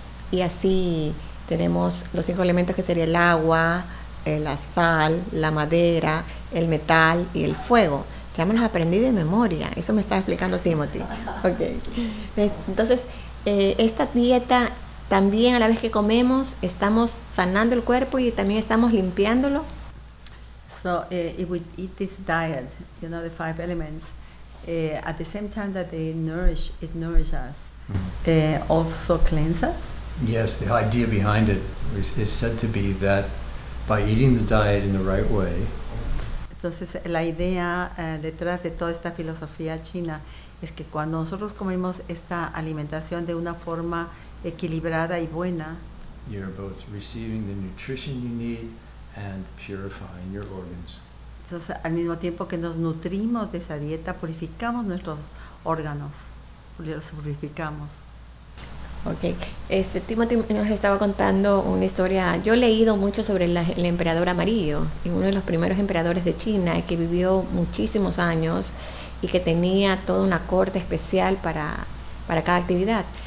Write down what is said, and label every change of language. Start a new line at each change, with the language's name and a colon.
Spanish: Y así tenemos los cinco elementos que sería el agua, la sal, la madera, el metal y el fuego. Ya me los aprendí de memoria, eso me está explicando Timothy. Okay. Entonces, esta dieta también, a la vez que comemos, estamos sanando el cuerpo y también estamos limpiándolo.
English: So if we eat this diet, you know, the five elements, at the same time that they nourish, it nourishes us, also cleanses us? Yes, the idea behind it is said to be that by eating the diet in the right way.
Spanish: Entonces, la idea detrás de toda esta filosofía china es que cuando nosotros comemos esta alimentación de una forma equilibrada y buena,
English: you're both receiving the nutrition you need and purifying your organs.
Spanish: Entonces, al mismo tiempo que nos nutrimos de esa dieta, purificamos nuestros órganos, los purificamos. Okay. Timothy nos estaba contando una historia. Yo he leído mucho sobre el emperador amarillo, uno de los primeros emperadores de China, que vivió muchísimos años y que tenía toda una corte especial para cada actividad.